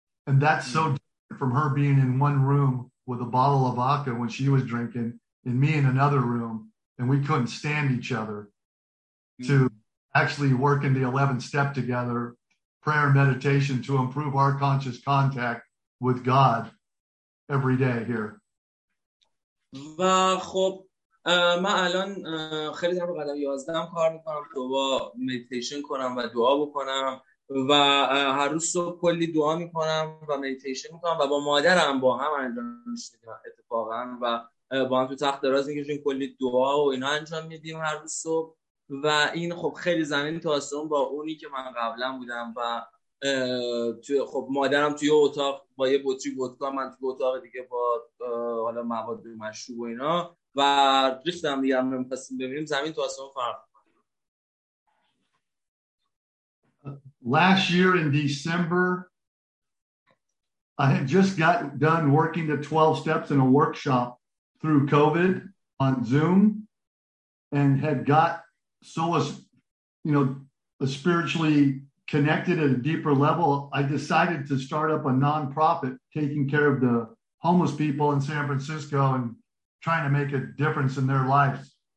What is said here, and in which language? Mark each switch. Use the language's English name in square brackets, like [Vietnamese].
[English] And that's so different from her being in one room with a bottle of vodka when she was drinking and me in another room. And we couldn't stand each other to actually work in the 11th step together, prayer and meditation to improve our conscious contact with God every day here. [Persian] و خب من الان خیلی در قدم 11 هم کار میکنم، دوباره مدیتیشن کنم و دعا بکنم و هر روز صبح کلی دعا میکنم و مدیتیشن میکنم و با مادرم با هم انجام میشه اتفاقا و با هم تو تخت دراز میکشیم کلی دعا و اینا انجام میدیم هر روز صبح و این خب خیلی زمین تو آسمون با اونی که من قبلا بودم و تو خب مادرم توی اتاق با یه بطری ودکا، من توی اتاق دیگه با حالا مواد مشروب و اینا و ریختم دیگه هم میمپسیم ببینیم زمین تو آسمون فرق. [English] Last year in December I had just got done working the 12 steps in a workshop through COVID on Zoom and had got so, you know, spiritually connected at a deeper level, I decided to start up a nonprofit taking care of the homeless people in San Francisco and trying to make a difference in their lives.